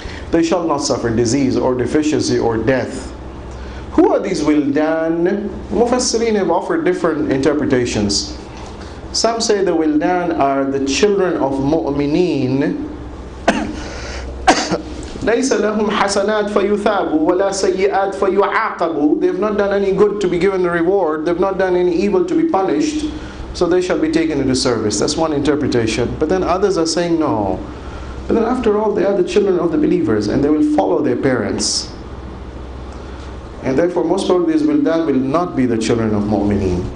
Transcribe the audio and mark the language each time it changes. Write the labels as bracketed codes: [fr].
[en] They shall not suffer disease or deficiency or death. Who are these wildan? Mufassirin have offered different interpretations. Some say the wildan are the children of mu'mineen. [ar] ليس لهم حسنات فيثابوا ولا سيئات فيعاقبوا. [en] They have not done any good to be given a reward. They have not done any evil to be punished. So they shall be taken into service. That's one interpretation. But then others are saying no. But then after all, they are the children of the believers and they will follow their parents. And therefore, most probably these wildan will not be the children of mu'mineen.